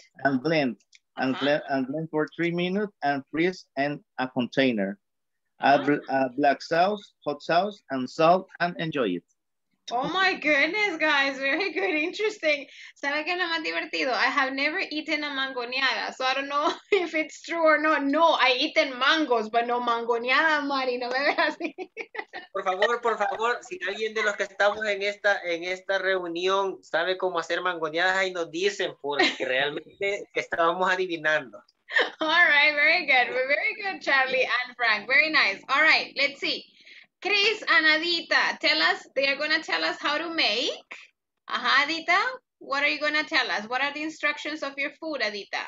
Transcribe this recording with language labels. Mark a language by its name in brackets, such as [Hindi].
[English] And blend. Uh-huh. And blend for 3 minutes and freeze in a container. Uh-huh. Add black sauce, hot sauce, and salt and enjoy it. Oh my goodness, guys, very good, interesting. [Spanish] ¿Sabe qué es lo más divertido? [English] I have never eaten a mangoneada, so I don't know if it's true or not. No, I eaten mangos, but no mangoneada, Mari, [Spanish] no me veas así. Por favor, si alguien de los que estamos en esta reunión sabe cómo hacer mangoneadas, ahí nos dicen, porque realmente estábamos adivinando. [English] All right, very good. We're very good, Charlie and Frank, very nice. All right, let's see. Chris and Adita, tell us, they're going to tell us how to make. Ajá, Adita, what are you going to tell us? What are the instructions of your food, Adita?